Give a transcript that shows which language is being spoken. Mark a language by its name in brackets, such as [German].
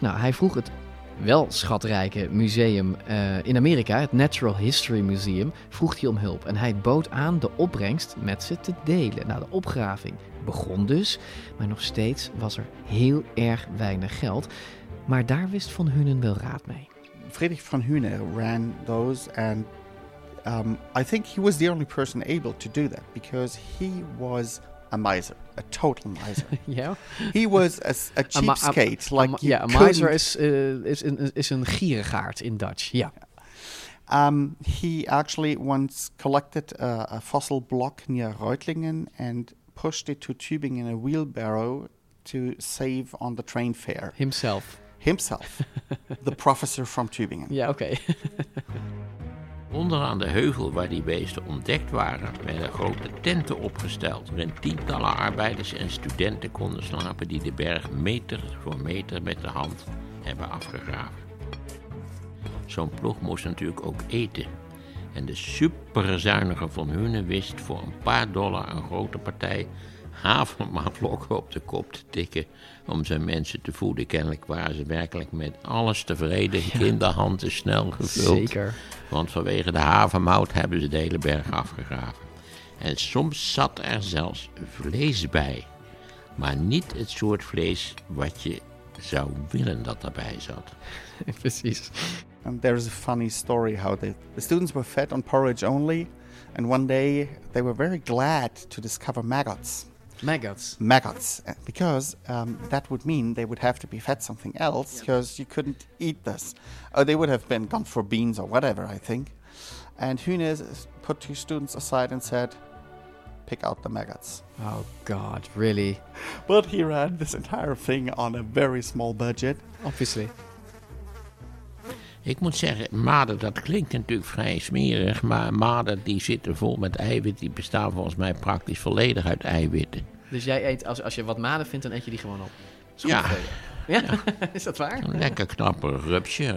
[Dutch] Nou, hij vroeg het wel schatrijke museum in Amerika, het Natural History Museum, vroeg hij om hulp. En hij bood aan de opbrengst met ze te delen. Nou, de opgraving begon dus, maar nog steeds was er heel erg weinig geld. Maar daar wist von Hünen wel raad mee. [English] Friedrich von Hünen ran those and I think he was the only person able to do that because he was a miser, a total miser. He was a cheapskate. A miser is [Dutch] een gierigaard [English] in Dutch. Yeah. He actually once collected a fossil block near Reutlingen and pushed it to Tübingen in a wheelbarrow to save on the train fare. Himself. The professor from Tübingen. Yeah, okay. [Dutch] Onderaan de heuvel waar die beesten ontdekt waren, werden grote tenten opgesteld waarin tientallen arbeiders en studenten konden slapen die de berg meter voor meter met de hand hebben afgegraven. Zo'n ploeg moest natuurlijk ook eten. En de superzuinige von Hünen wist voor een paar dollar een grote partij havermaatblokken op de kop te tikken om zijn mensen te voeden. Kennelijk waren ze werkelijk met alles tevreden, kinderhanden snel gevuld. Zeker. Want vanwege de havermout hebben ze de hele berg afgegraven. En soms zat er zelfs vlees bij. Maar niet het soort vlees wat je zou willen dat erbij zat. Precies. [English] And there is a funny story how the students were fed on porridge only. And one day they were very glad to discover maggots. Maggots. Because that would mean they would have to be fed something else because you couldn't eat this. Or they would have been gone for beans or whatever, I think. And Hünen put two students aside and said, pick out the maggots. Oh God, really? But he ran this entire thing on a very small budget. Obviously. [Dutch] Ik moet zeggen, maden, dat klinkt natuurlijk vrij smerig, maar maden die zitten vol met eiwitten, die bestaan volgens mij praktisch volledig uit eiwitten. Dus jij eet, als je wat maden vindt, dan eet je die gewoon op? Ja. Ja. Is dat waar? Een lekker knapper rupsje.